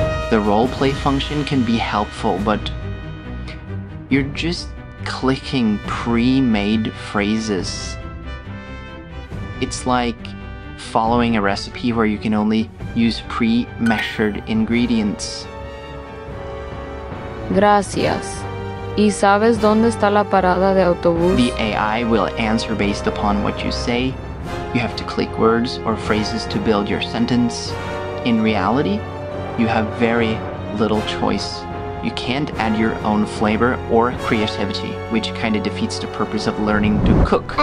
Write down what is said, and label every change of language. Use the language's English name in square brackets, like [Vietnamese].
[English] The roleplay function can be helpful, but you're just clicking pre-made phrases. It's like following a recipe where you can only use pre-measured ingredients. [Spanish] Gracias. ¿Y sabes dónde está la parada de autobús? [English] The AI will answer based upon what you say. You have to click words or phrases to build your sentence. In reality, you have very little choice. You can't add your own flavor or creativity, which kind of defeats the purpose of learning to cook.